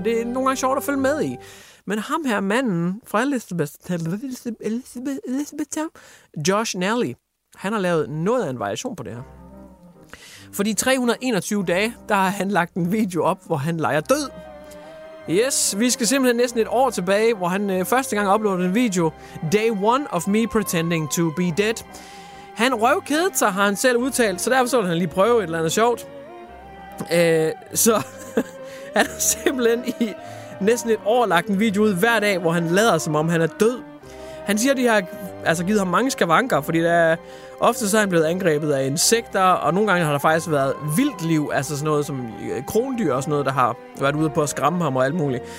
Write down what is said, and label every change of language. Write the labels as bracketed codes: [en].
[da] Det er nogle gange sjovt at følge med i. Men ham her manden fra Elizabeth, Josh Nally, han har lavet noget af en variation på det her. For de 321 dage, der har han lagt en video op, hvor han leger død. Yes, vi skal simpelthen næsten et år tilbage, hvor han første gang uploadede en video. [en] Day one of me pretending to be dead. [da] Han røvkedede sig, har han selv udtalt, så derfor så han lige prøve et eller andet sjovt. Så han er simpelthen i næsten et år lagt en video ud hver dag, hvor han lader, som om han er død. Han siger, at de har altså givet ham mange skavanker, fordi der er ofte så er han blevet angrebet af insekter, og nogle gange har der faktisk været vildt liv, altså sådan noget som krondyr og sådan noget, der har været ude på at skræmme ham og alt muligt.